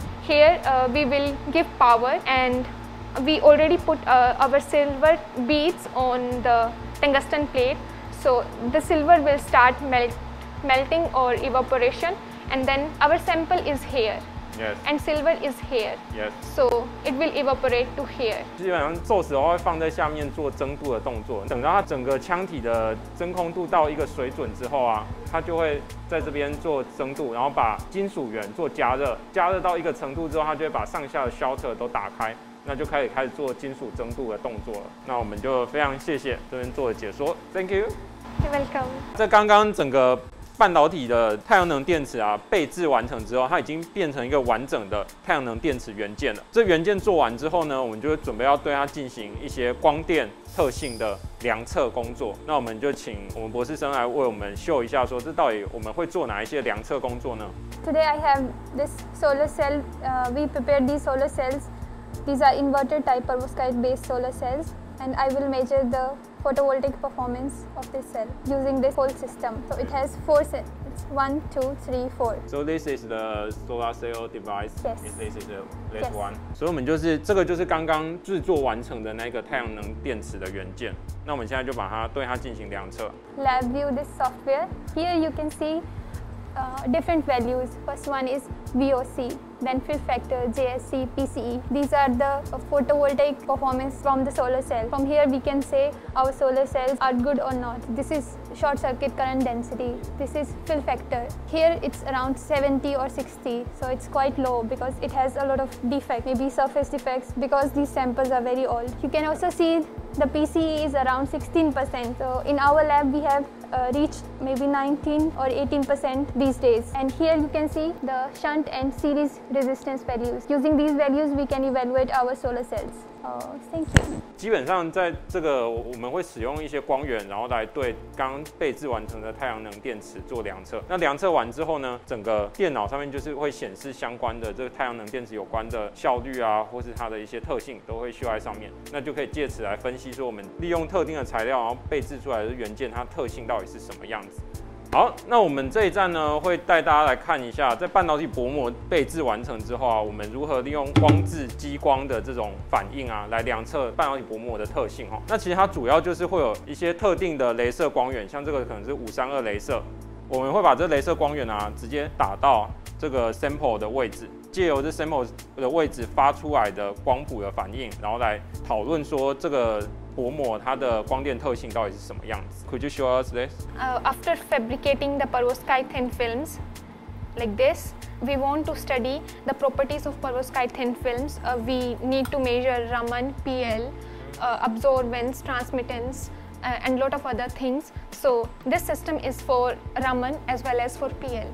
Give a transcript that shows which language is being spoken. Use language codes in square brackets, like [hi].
[en] Here we will give power, and we already put our silver beads on the tungsten plate. So the silver will start melting or evaporation, and then our sample is here. Yes. And silver is here. Yes. So it will evaporate to here. [zh] 基本上做时候会放在下面做增度的动作，等到它整个腔体的真空度到一个水准之后啊，它就会在这边做增度，然后把金属源做加热，加热到一个程度之后，它就会把上下的 shelter 都打开，那就开始做金属增度的动作了。那我们就非常谢谢这边做的解说 ， [en] Thank you. You're welcome. [zh] 在刚刚整个。半导体的太阳能电池啊，备制完成之后，它已经变成一个完整的太阳能电池元件了。这元件做完之后呢，我们就准备要对它进行一些光电特性的量测工作。那我们就请我们博士生来为我们秀一下，说这到底我们会做哪一些量测工作呢 [en] ？Today I have this solar cell. We prepared these solar cells. These are inverter type perovskite based solar cells, and I will measure the. Photovoltaic performance of this cell using this whole system. So it has four cells, 1, 2, 3, 4. So this is the solar cell device. Yes. This is this one. [zh] 所以我们就是这个就是刚刚制作完成的那个太阳能电池的元件。那我们现在就把它对它进行量测。 [en] Lab view this software. Here you can see different values. First one is VOC, then fill factor, JSC, PCE. These are the photovoltaic performance from the solar cell. From here, we can say our solar cells are good or not. This is short circuit current density. This is fill factor. Here it's around 70 or 60, so it's quite low because it has a lot of defects, maybe surface defects, because these samples are very old. You can also see the PCE is around 16%. So in our lab, we have reached maybe 19 or 18% these days. And here you can see the shunt and series resistance values. Using these values, we can evaluate our solar cells. Thank you. [zh] 基本上在这个我们会使用一些光源，然后来对刚备制完成的太阳能电池做量测。那量测完之后呢，整个电脑上面就是会显示相关的这个太阳能电池有关的效率啊，或是它的一些特性都会秀在上面。那就可以借此来分析说，我们利用特定的材料，然后备制出来的元件它特性到底是什么样子。好，那我们这一站呢，会带大家来看一下，在半导体薄膜备制完成之后啊，我们如何利用光致激光的这种反应啊，来量测半导体薄膜的特性哈。那其实它主要就是会有一些特定的雷射光源，像这个可能是532雷射，我们会把这雷射光源啊，直接打到这个 sample 的位置，借由这 sample 的位置发出来的光谱的反应，然后来讨论说这个薄膜它的光电特性到底是什么样子。 [en] Could you show us this? After fabricating the perovskite thin films like this, we want to study the properties of perovskite thin films. We need to measure Raman, PL, absorbance, transmittance, and lot of other things. So this system is for Raman as well as for PL.